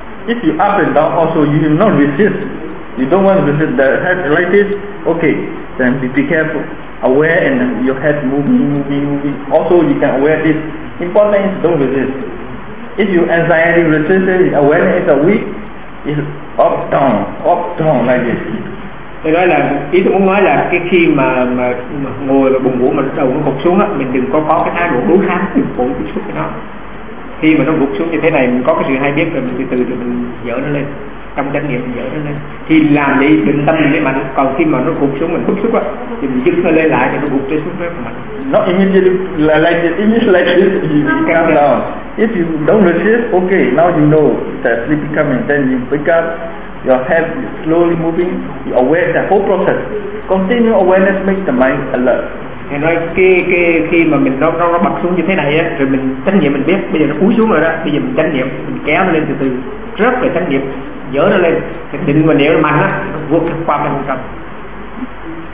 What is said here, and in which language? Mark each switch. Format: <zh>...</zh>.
<en>If you up and down also, you will not resist. You don't want to resist the head like this. Okay, then be careful. Aware and your head moving. Also, you can aware this. Important is don't resist. If you anxiety resistant, awareness is a weak, it's up down like this.</en> <vi>Thì nói là ý tôi muốn nói là cái khi mà ngồi và buồn ngủ mà đầu nó gục xuống á, mình đừng có cái thái độ đối kháng, đừng phụ cái suốt cái đó. Khi mà nó gục xuống như thế này, mình có cái sự hay biết rồi mình từ từ mình dỡ nó lên, trong chánh niệm mình dỡ nó lên. Thì làm đi, đừng tâm mình mạnh. Còn khi mà nó gục xuống mình bức xúc á, thì mình dứt nó lên lại thì nó gục xuống rất mạnh.</vi> <en>Not immediately like this, you come down. If you don't resist, okay, now you know that sleep is coming, then you wake up. Your head slowly moving, you aware the whole process. Continue awareness makes the mind alert.</en> <vi>Thì nói khi mà mình nó bật xuống như thế này á, rồi mình chánh niệm mình biết, bây giờ nó cúi xuống rồi đó, bây giờ mình chánh niệm, mình kéo nó lên từ từ, rớt về chánh niệm, dỡ nó lên, thì định mà nếu nó mạnh á, nó vượt qua bên trong. Tính là thầy</vi>